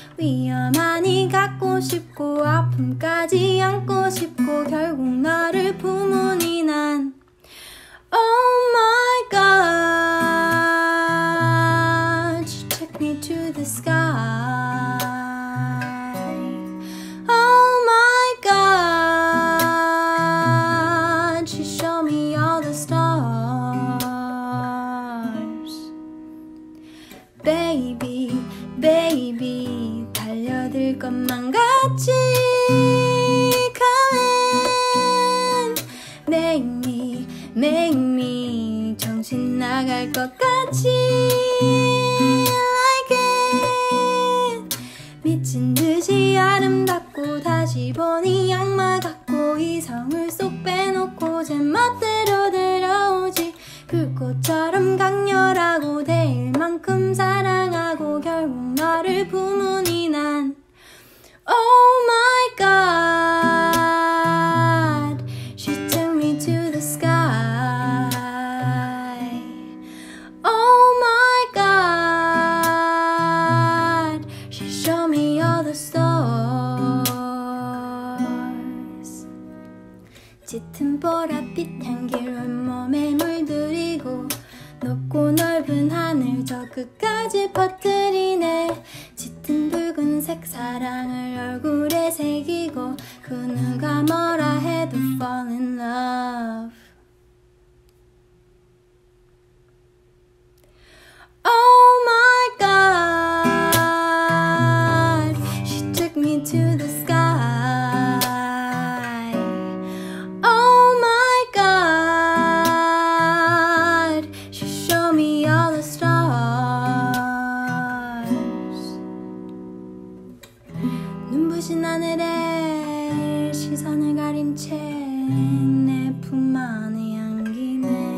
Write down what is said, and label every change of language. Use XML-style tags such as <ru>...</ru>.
<ko>위험하니 갖고 싶고 아픔까지 안고 싶고 결국 너를 품으니 난</ko> <en>Oh my God, you take me to the sky. Oh my God, you show me all the stars. Baby, baby,</en> <ko>달려들 것만 같이</ko> <en>come in. Make me, make me</en> <ko>정신 나갈 것 같이</ko> <en>like it.</en> <ko>미친 듯이 아름답고 다시 보니 악마 같고 이성을 쏙 빼놓고 제 멋대로 들어오지. 불꽃처럼 강렬하고 데일만큼 사랑하고 결국 너를 품으니 난</ko> <en>Oh my God, she took me to the sky. Oh my God, she showed me all the stars.</en> <ko>짙은 보랏빛 향기를 몸에 물들이고 높고 넓은 하늘 저 끝까지 퍼뜨리네. 짙은 붉은색 사랑을 얼굴에 새기고 그 누가 뭐라 해도</ko> <en>fall in love. Oh my God, she took me to the sky. Oh my God, she showed me all the stars.</en> <ko>눈부신 하늘에 시선을 가린 채 내 품 안에 안기네.</ko>